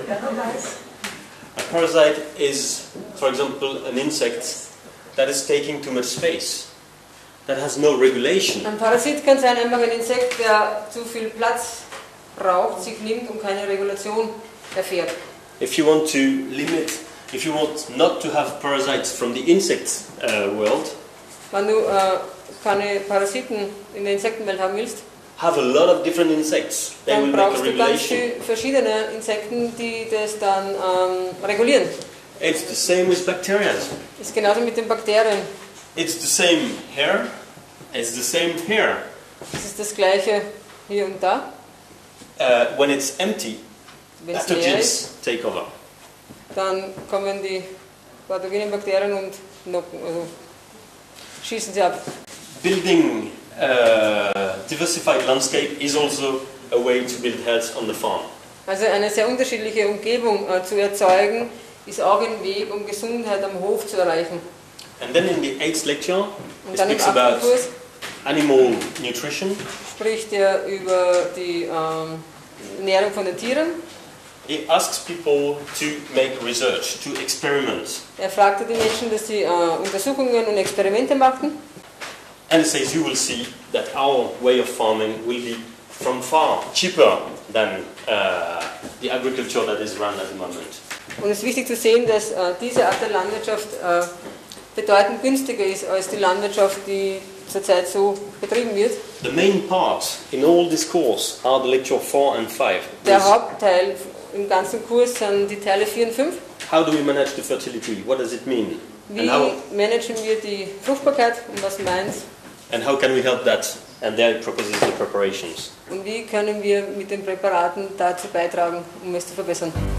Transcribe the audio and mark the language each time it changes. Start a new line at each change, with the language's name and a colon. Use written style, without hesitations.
English: A parasite is, for example, an insect that is taking too much space. That has no regulation.
German: Ein Parasit kann sein einfach ein Insekt, der zu viel Platz braucht, sich nimmt und keine Regulation erfährt.
English: If you want to limit, if you want not to have parasites from the insect world,
German: wenn du keine Parasiten in der Insektenwelt haben willst,
English: have a lot of different insects, they
German: dann
English: will
German: brauchst
English: make a regulation.
German: Du ganz viele verschiedene Insekten, die das dann regulieren.
English: It's the same with bacteria.
German: Ist genauso mit den Bakterien.
English: It's the same here. It's the same here.
German: Es ist das gleiche hier und da.
English: When it's empty,
German: wenn's
English: pathogens ist, take over.
German: Dann kommen die pathogenen Bakterien und schießen sie ab.
English: Building a diversified landscape is also a way to build health on the farm.
German: Also eine sehr unterschiedliche Umgebung zu erzeugen ist auch ein Weg, um Gesundheit am Hof zu erreichen.
English: And then in the eighth lecture, it speaks about animal nutrition.
German: Spricht er über die Ernährung von den Tieren?
English: He asks people to make research, to experiment.
German: Er fragte die Menschen, dass sie Untersuchungen und Experimente machten.
English: And he says, you will see that our way of farming will be from far cheaper than the agriculture that is run at the moment.
German: Und es ist wichtig zu sehen, dass diese Art der Landwirtschaft bedeutend günstiger ist als die Landwirtschaft, die zurzeit so betrieben wird.
English: The main part in all this course are the lecture 4 and 5.
German: Der Hauptteil im ganzen Kurs sind die Teile 4 und 5.
English: How do we manage the fertility? What does it mean?
German: Wie managen wir die Fruchtbarkeit und was meint?
English: And how can we help that? And there it proposes the preparations.
German: Und wie können wir mit den Präparaten dazu beitragen, um es zu verbessern?